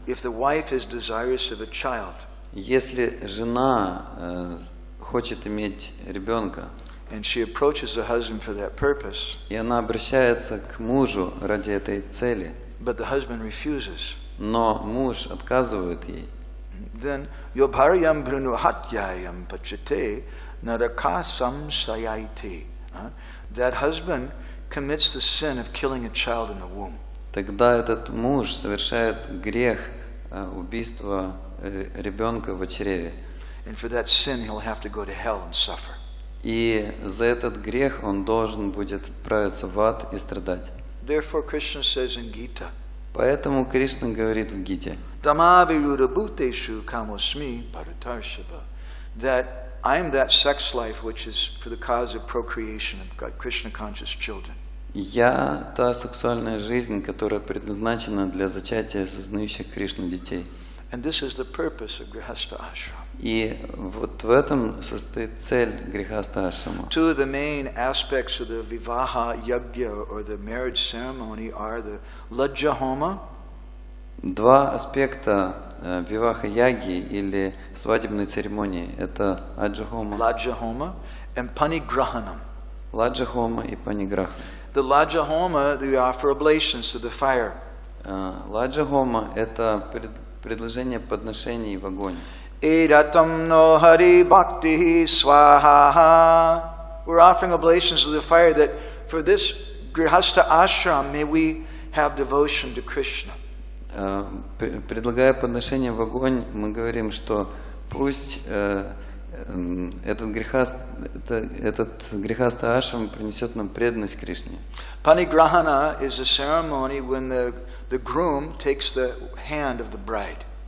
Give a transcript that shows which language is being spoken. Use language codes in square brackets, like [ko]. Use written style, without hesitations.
[en] if the wife is desirous of a child, [ru] если жена хочет иметь ребенка, [en] and she approaches the husband for that purpose, [ru] и она обращается к мужу ради этой цели, [en] but the husband refuses, [ru] но муж отказывает ей, [en] then [sa] yobharyam bruno hatyayam pachate narakasam sayaiti, [en] that husband commits the sin of killing a child in the womb. [ru] Тогда этот муж совершает грех убийства ребенка в чреве. [en] And for that sin he'll have to go to hell and suffer. [ru] И за этот грех он должен будет отправиться в ад и страдать. [en] Therefore Krishna says in Gita. [ru] Поэтому Кришна говорит в Гите. [sa] Tamaviruddhabhuteshu kamosmi paratarshava, [en] that I am that sex life which is for the cause of procreation of God, Krishna conscious children. [ru] Я та сексуальная жизнь, которая предназначена для зачатия сознающих Кришну детей. [en] And this is the purpose of Grihastha Ashram. [ru] И вот в этом состоит цель Грихастха Ашрама. [en] Two of the main aspects of the vivaha yagya or the marriage ceremony are the lajja homa. [ru] Два аспекта виваха-яги или свадебной церемонии – это аджа-хома. Ладжа-хома и паниграханам. Ладжа-хома и паниграханам. [en] The ладжа-хома – they offer oblations to the fire. [ru] Ладжа-хома – это предложение подношений в огонь. [sa] Эйратам нохари бхактихи сваха-ха. [en] We're offering oblations to the fire that for this grihastha ashram may we have devotion to Krishna. [ru] Предлагая подношение в огонь, мы говорим, что пусть этот грихастха ашрам принесет нам преданность Кришне. [en] Panigrahana is a ceremony when the groom takes the hand of the bride.